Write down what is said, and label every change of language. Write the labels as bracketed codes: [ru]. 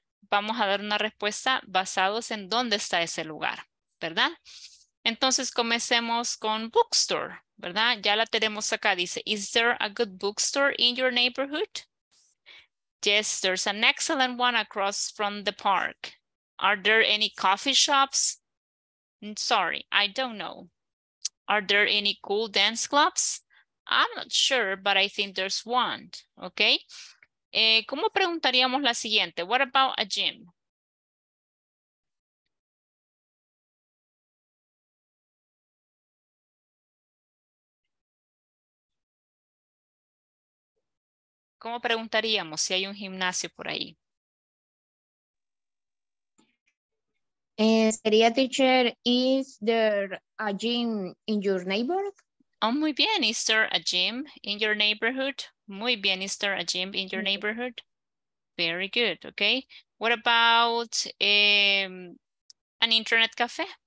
[es] vamos a dar una respuesta basados en dónde está ese lugar, ¿verdad? Entonces comencemos con bookstore, ¿verdad? Ya la tenemos acá, dice, [en] is there a good bookstore in your neighborhood? Yes, there's an excellent one across from the park. Are there any coffee shops? Sorry, I don't know. Are there any cool dance clubs? I'm not sure, but I think there's one, okay? [es] ¿Cómo preguntaríamos la siguiente? [en] What about a gym? [es] ¿Cómo preguntaríamos si hay un gimnasio por ahí? Sería, [en] teacher, is there a gym in your neighborhood? Oh, [es] muy bien, [en] is there a gym in your neighborhood? [es] Muy bien, [en] is there a gym in your neighborhood? Very good, okay. What about an internet cafe?